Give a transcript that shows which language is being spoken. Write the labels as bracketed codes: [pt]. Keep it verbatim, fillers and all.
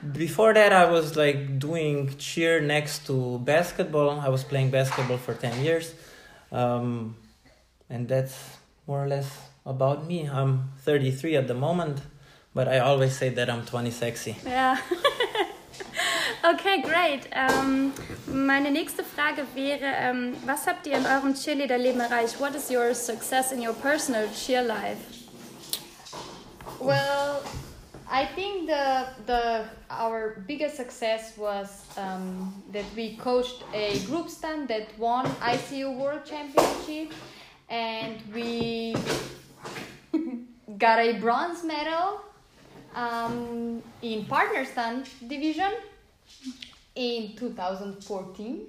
[en] Before that, I was like doing cheer next to basketball. I was playing basketball for ten years. Um, and that's more or less about me. I'm thirty-three at the moment, but I always say that I'm twenty sexy. Ja. Okay, great. [de] Ähm, meine nächste Frage wäre, ähm, was habt ihr in eurem Cheerleader-Leben erreicht? [en] What is your success in your personal cheer life? Well, I think the the our biggest success was um, that we coached a group stand that won I C U World Championship, and we got a bronze medal um, in partner stand division in two thousand fourteen.